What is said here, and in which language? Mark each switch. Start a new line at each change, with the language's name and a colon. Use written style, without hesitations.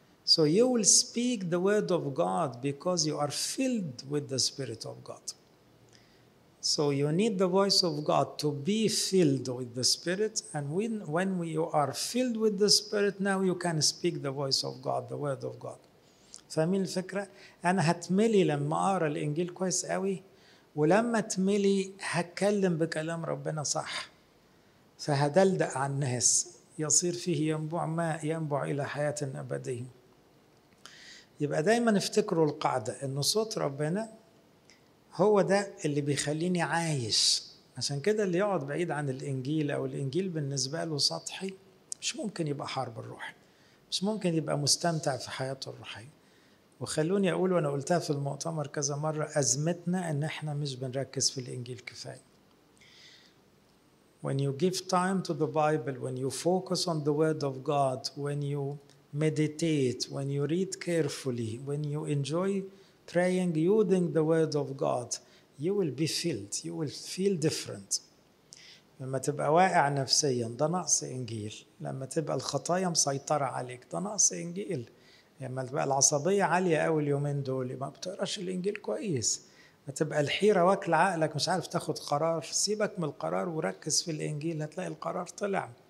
English: So you will speak the word of God because you are filled with the Spirit of God. So you need the voice of God to be filled with the Spirit. And when you are filled with the Spirit, now you can speak the voice of God, the word of God.
Arabic: فاهمين الفكرة؟ أنا هتملي لما أقرأ الإنجيل كويس قوي، ولما تملي هتكلم بكلام ربنا صح، فهدلدق عن الناس، يصير فيه ينبوع ماء ينبع إلى حياة أبدية. يبقى دايما افتكروا القاعدة ان صوت ربنا هو ده اللي بيخليني عايش. عشان كده اللي يقعد بعيد عن الانجيل او الانجيل بالنسبة له سطحي، مش ممكن يبقى حارب الروح، مش ممكن يبقى مستمتع في حياته الروحية. وخلوني اقول، وانا قلتها في المؤتمر كذا مرة، ازمتنا ان احنا مش بنركز في الانجيل كفاية.
English: When you give time to the Bible, when you focus on the word of God, when you meditate, when you read carefully, when you enjoy praying using the word of God, you will be filled, you will feel different.
Arabic: لما تبقى واقع نفسيا ده نقص إنجيل، لما تبقى الخطايا مسيطرة عليك ده نقص إنجيل، لما تبقى العصبية عالية أول يومين دول ما بتقراش الإنجيل كويس، ما تبقى الحيرة واكل عقلك مش عارف تاخد قرار، سيبك من القرار وركز في الإنجيل هتلاقي القرار طلع.